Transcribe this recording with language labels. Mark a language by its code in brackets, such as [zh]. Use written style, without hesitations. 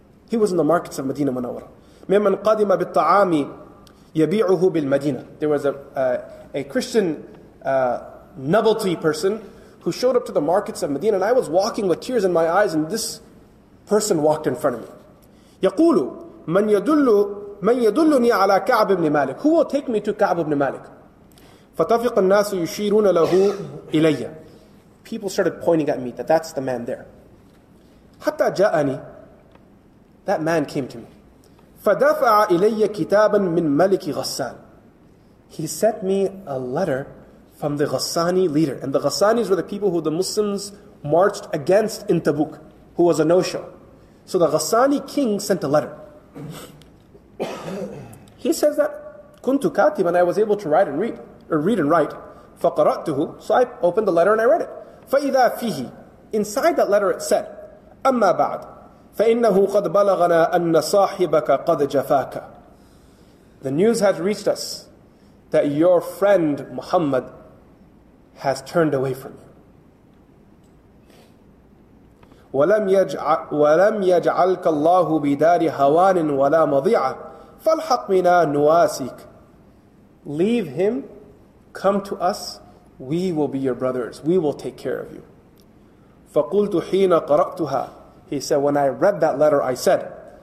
[en] He was in the markets of Medina Munawwara. [ar] مِمَّنْ قَدِمَ بِالطَّعَامِ يَبِيعُهُ بِالْمَدِينَةِ [en] There was a Christian Nabati person who showed up to the markets of Medina, and I was walking with tears in my eyes, and this person walked in front of me. [ar] يَقُولُ مَنْ يَدُلُّنِي عَلَى كَعْبِ بْنِ مَالِكِ [en] Who will take me to Ka'b ibn Malik? [ar] فتفق الناس يشيرون له إلي. [en] People started pointing at me that that's the man there. [ar] حتى جاءني. [en] That man came to me. [ar] فدفع إلي كتابا من ملك غسان. [en] He sent me a letter from the Ghassani leader. And the Ghassanis were the people who the Muslims marched against in Tabuk, who was a no-show. So the Ghassani king sent a letter. He says that [ar] كنت كاتبا, [en] I was able to write and read, or read and write. [ar] فقرأته, [en] so I opened the letter and I read it. [ar] فإذا فيه, [en] inside that letter it said, [ar] أما بعد, فإنه قد بلغنا أن صاحبك قد جفاك. [en] The news has reached us that your friend Muhammad has turned away from you. [ar] ولم يجعلك الله بدار هوان ولا مضيعة فالحق منا نواسيك. [en] Leave him, come to us, we will be your brothers, we will take care of you. [ar] فقلت حين قرأتها, [en] he said, when I read that letter, I said,